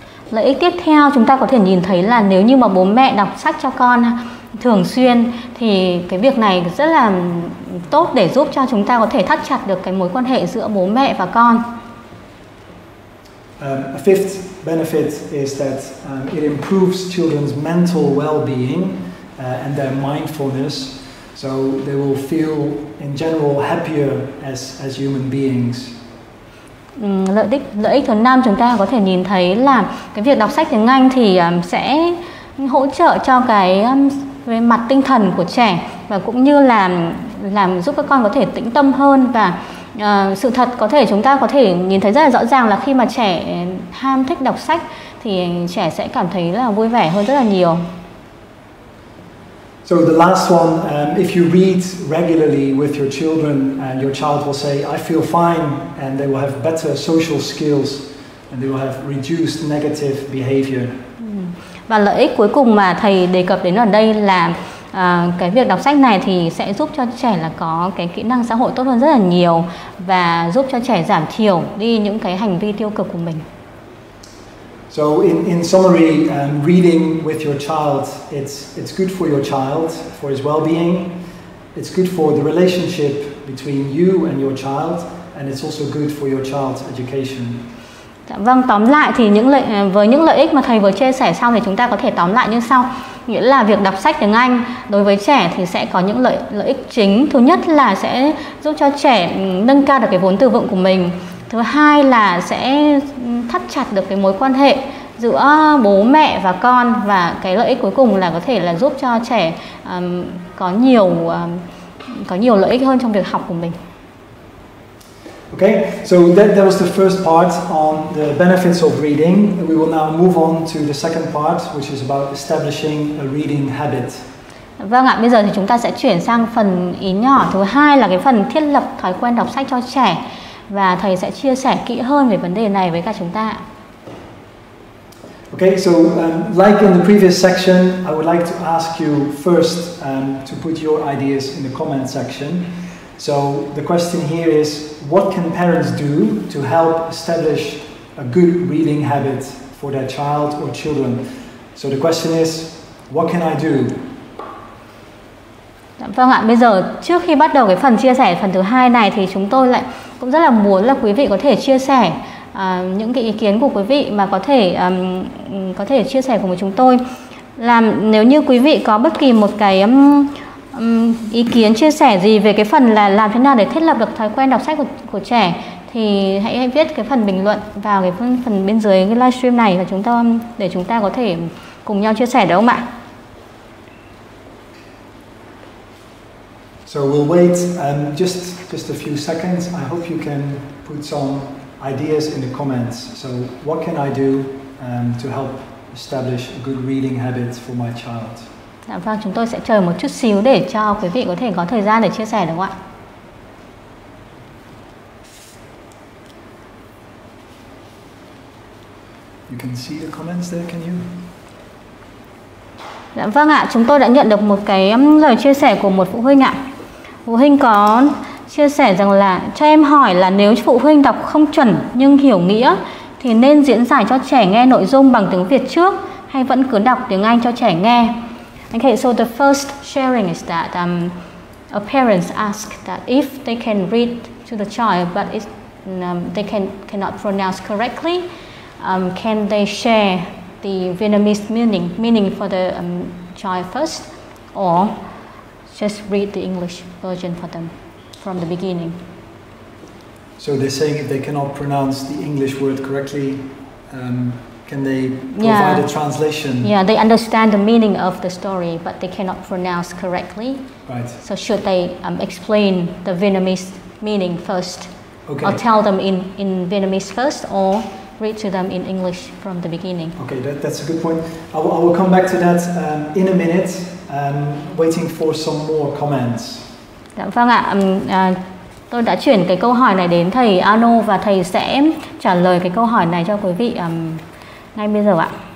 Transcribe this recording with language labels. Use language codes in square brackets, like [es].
[vi] Lợi ích tiếp theo chúng ta có thể nhìn thấy là nếu như mà bố mẹ đọc sách cho con thường xuyên thì cái việc này rất là tốt để giúp cho chúng ta có thể thắt chặt được cái mối quan hệ giữa bố mẹ và con. [en] A fifth benefit is that it improves children's mental well-being and their mindfulness, so they will feel in general happier as human beings. [vi] Lợi ích thứ năm chúng ta có thể nhìn thấy là cái việc đọc sách tiếng Anh thì sẽ hỗ trợ cho cái về mặt tinh thần của trẻ và cũng như là làm giúp các con có thể tĩnh tâm hơn và sự thật có thể chúng ta có thể nhìn thấy rất là rõ ràng là khi mà trẻ ham thích đọc sách thì trẻ sẽ cảm thấy là vui vẻ hơn rất là nhiều. [en] So the last one, if you read regularly with your children and your child will say I feel fine and they will have better social skills and they will have reduced negative behavior. [vi] Và lợi ích cuối cùng mà thầy đề cập đến ở đây là cái việc đọc sách này thì sẽ giúp cho trẻ là có cái kỹ năng xã hội tốt hơn rất là nhiều và giúp cho trẻ giảm thiểu đi những cái hành vi tiêu cực của mình. [en] So in summary, reading with your child, it's good for your child, for his well-being. It's good for the relationship between you and your child, and it's also good for your child's education. [vi] Dạ, vâng, tóm lại thì với những lợi ích mà thầy vừa chia sẻ xong thì chúng ta có thể tóm lại như sau. Nghĩa là việc đọc sách tiếng Anh đối với trẻ thì sẽ có những lợi ích chính. Thứ nhất là sẽ giúp cho trẻ nâng cao được cái vốn từ vựng của mình. Thứ hai là sẽ thắt chặt được cái mối quan hệ giữa bố mẹ và con. Và cái lợi ích cuối cùng là có thể là giúp cho trẻ có nhiều lợi ích hơn trong việc học của mình. [en] Okay, so that was the first part on the benefits of reading. We will now move on to the second part, which is about establishing a reading habit. [vi] Vâng ạ, bây giờ thì chúng ta sẽ chuyển sang phần ý nhỏ thứ hai là cái phần thiết lập thói quen đọc sách cho trẻ. Và thầy sẽ chia sẻ kỹ hơn về vấn đề này với cả chúng ta. [en] Okay, so like in the previous section, I would like to ask you first to put your ideas in the comment section. So the question here is, what can parents do to help establish a good reading habit for their child or children? So the question is, What can I do? [vi] Vâng ạ, bây giờ trước khi bắt đầu cái phần chia sẻ phần thứ hai này thì chúng tôi lại cũng rất là muốn là quý vị có thể chia sẻ những cái ý kiến của quý vị mà có thể chia sẻ cùng với chúng tôi. Làm nếu như quý vị có bất kỳ một cái ý kiến chia sẻ gì về cái phần là làm thế nào để thiết lập được thói quen đọc sách của trẻ thì hãy viết cái phần bình luận vào cái phần bên dưới cái livestream này và chúng ta có thể cùng nhau chia sẻ được không ạ? [en] So we'll wait just a few seconds. I hope you can put some ideas in the comments. So what can I do to help establish a good reading habit for my child? [vi] Dạ vâng, chúng tôi sẽ chờ một chút xíu để cho quý vị có thể có thời gian để chia sẻ được không ạ? [en] You can see the comments there, can you? [vi] Dạ vâng ạ, chúng tôi đã nhận được một cái lời chia sẻ của một phụ huynh ạ. Phụ huynh có chia sẻ rằng là cho em hỏi là nếu phụ huynh đọc không chuẩn nhưng hiểu nghĩa thì nên diễn giải cho trẻ nghe nội dung bằng tiếng Việt trước hay vẫn cứ đọc tiếng Anh cho trẻ nghe? [en] Okay, so the first sharing is that a parent asks that if they can read to the child but they cannot pronounce correctly, can they share the Vietnamese meaning for the child first or just read the English version for them from the beginning? So they're saying if they cannot pronounce the English word correctly, can they provide a translation? Yeah, they understand the meaning of the story, but they cannot pronounce correctly. Right. So should they explain the Vietnamese meaning first? Okay. Or tell them in Vietnamese first, or read to them in English from the beginning? Okay, that's a good point. I will come back to that in a minute. Waiting for some more comments. [vi] Dạ vâng ạ, tôi đã chuyển cái câu hỏi này đến thầy Ano và thầy sẽ trả lời cái câu hỏi này cho quý vị ngay bây giờ ạ.